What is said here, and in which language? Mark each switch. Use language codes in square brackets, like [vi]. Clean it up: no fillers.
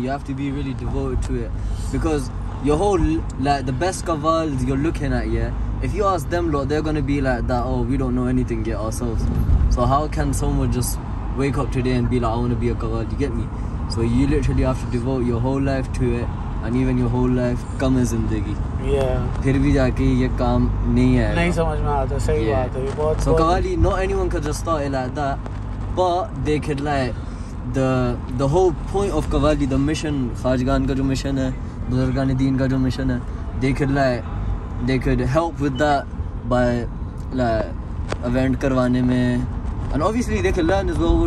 [en] You have to be really devoted to it. Because your whole, like the best Qawwals you're looking at, yeah? If you ask them lot, they're going to be like that, oh, we don't know anything yet ourselves. So how can someone just wake up today and be like, I want to be a Qawwali, you get me? So you literally have to devote your whole life to it, and even your whole life, [ur] kam hai zindagi. [en] Yeah. [ur] پھر بھی جاکے یہ کام نہیں ہے۔ نہیں سمجھ میں آتا، صحیح بات ہے۔ [en] So Qawwali, not anyone could just start it like that, but they could like, the whole point of Qawwali, the mission, [ur] Khajgan ka jo mission hai, [en] Buzurgan e Deen ka jo mission hai, they could like, they could help with that by like [ur] event karwane mein, [en] and obviously they can learn as well.